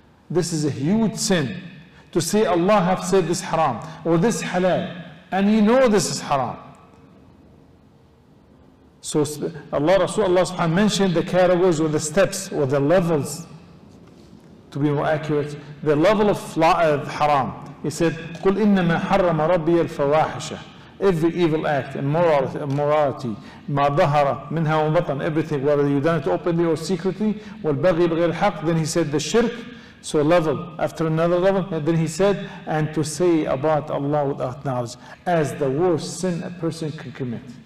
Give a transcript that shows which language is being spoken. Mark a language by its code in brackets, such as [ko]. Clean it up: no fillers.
[en] This is a huge sin to say Allah have said this haram or this halal and you know this is haram. So Allah subhanahu wa ta'ala mentioned the categories or the steps or the levels. To be more accurate, the level of haram. He said, [ar] قُلْ إِنَّمَا حَرَّمَ رَبِّيَ الْفَوَاحِشَ. [en] Every evil act, immorality, [ar] مَا ظَهَرَ مِنْهَا وَمْبَطَنَ, [en] everything, whether you've done it openly or secretly, [ar] وَالْبَغِي بِغِيَ الْحَقِّ. [en] Then he said, the shirk, so level, after another level. And then he said, and to say about Allah without knowledge, as the worst sin a person can commit.